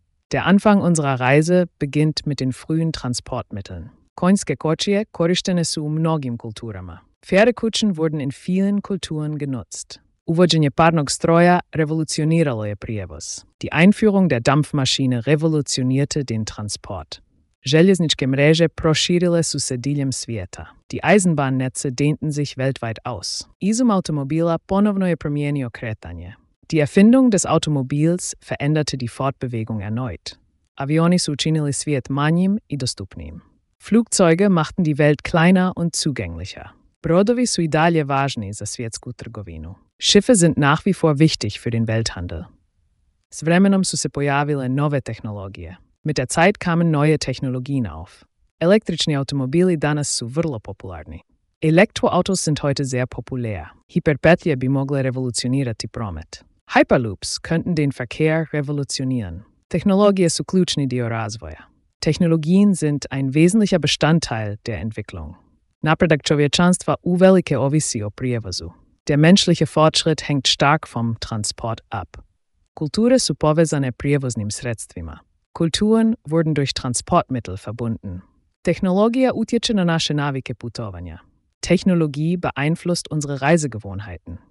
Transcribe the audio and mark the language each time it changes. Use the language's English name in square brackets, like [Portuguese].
[German] Der Anfang unserer Reise beginnt mit den frühen Transportmitteln. [Croatian] Konjske kočije korištene su u mnogim kulturama. [German] Pferdekutschen wurden in vielen Kulturen genutzt. [Croatian] Uvođenje parnog stroja revolucioniralo je prijevoz. [German] Die Einführung der Dampfmaschine revolutionierte den Transport. [Croatian] Željezničke mreže proširile su se diljem svijeta. [German] Die Eisenbahnnetze dehnten sich weltweit aus. [Croatian] Izum automobila ponovno je promijenio kretanje. [German] Die Erfindung des Automobils veränderte die Fortbewegung erneut. [Croatian] Avioni su učinili svijet manjim i dostupnijim. [German] Flugzeuge machten die Welt kleiner und zugänglicher. [Croatian] Brodovi su i dalje važni za svjetsku trgovinu. [German] Schiffe sind nach wie vor wichtig für den Welthandel. [Croatian] S vremenom su se pojavile nove tehnologije. [German] Mit der Zeit kamen neue Technologien auf. [Croatian] Električni automobili danas su vrlo popularni. [German] Elektroauto sind heute sehr populär. [Croatian] Hyperpetje bi mogle revolucionirati promet. [German] Hyperloops könnten den Verkehr revolutionieren. [Croatian] Technologie su ključni dio razvoja. [German] Technologien sind ein wesentlicher Bestandteil der Entwicklung. [Croatian] Napredak čovječanstva uvelike ovisi o prijevozu. [German] Der menschliche Fortschritt hängt stark vom Transport ab. [Croatian] Kulture su povezane prijevoznim sredstvima. [German] Kulturen wurden durch Transportmittel verbunden. [Croatian] Technologie utječe na naše navike putovanja. [German] Technologie beeinflusst unsere Reisegewohnheiten.